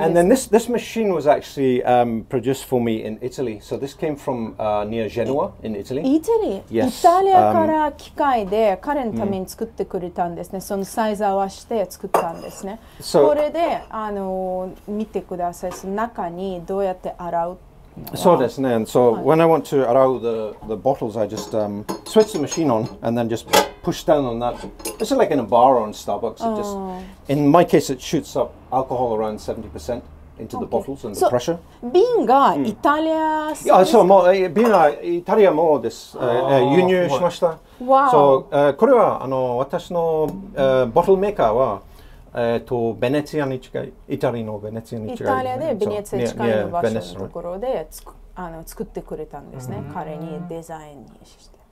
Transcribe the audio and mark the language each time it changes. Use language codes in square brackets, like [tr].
[en] And then this machine was actually produced for me in Italy. So this came from near Genoa in Italy. Italy? Yes. [ja] イタリアから機械で彼のために作ってくれたんですね。そのサイズ合わせて作ったんですね。 So, これで見てください。その中にどうやって洗う。そうですね。 [en] So when I want to allow the bottles, I just switch the machine on and then just push down on that. It's like in a bar or in Starbucks. It just, in my case, it shoots up alcohol around 70% into the bottles and the pressure. [ja] 瓶がイタリア製ですか？そう、もう瓶はイタリアもです。輸入しました。わー。 So これは私のボトルメーカーは、ベネツィアに近い、イタリアのベネツィアに近い、ね、イタリアでベネツィア近いの場所のところで作ってくれたんですね、彼にデザインにして。